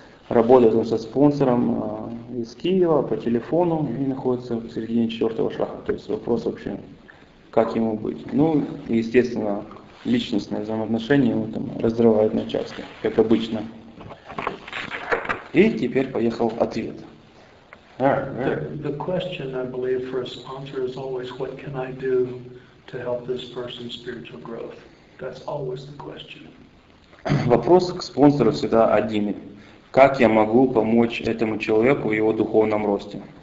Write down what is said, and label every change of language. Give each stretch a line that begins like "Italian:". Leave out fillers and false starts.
Russian: Работает он со спонсором из Киева по телефону и находится в середине четвертого шага. То есть вопрос вообще, как ему быть. Ну, естественно, личностные взаимоотношения его там разрывают на части, как обычно. И теперь поехал ответ.
English: The question, I believe, for a sponsor is always, what can I do to help this person's spiritual growth? That's always the question.
Russian: Вопрос к спонсору всегда один. Как я могу помочь этому человеку в его духовном росте?